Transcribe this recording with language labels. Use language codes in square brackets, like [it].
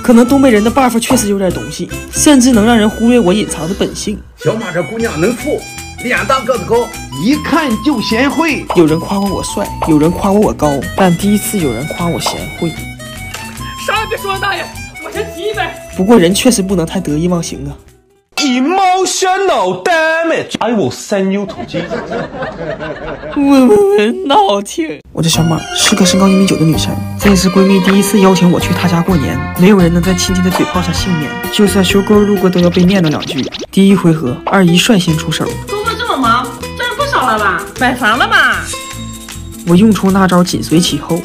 [zh] 可能东北人的 buff 确实有点东西，甚至能让人忽略我隐藏的本性。小马，这姑娘能处。脸蛋个子高，一看就贤惠。有人夸我帅，有人夸我高，但第一次有人夸我贤惠。啥也别说了，大爷，我先提一杯。不过人确实不能太得意忘形啊。 [en] Emotional damage, I will send you to jail. [zh] 闹听，我叫小马，是个身高1米9的女生。这是闺蜜第一次邀请我去她家过年，没有人能在亲戚的嘴炮上幸免，就算修哥路过都要被念叨两句。第一回合，二姨率先出手。工作这么忙，赚不少了吧？买房了吧？我用出那招，紧随其后。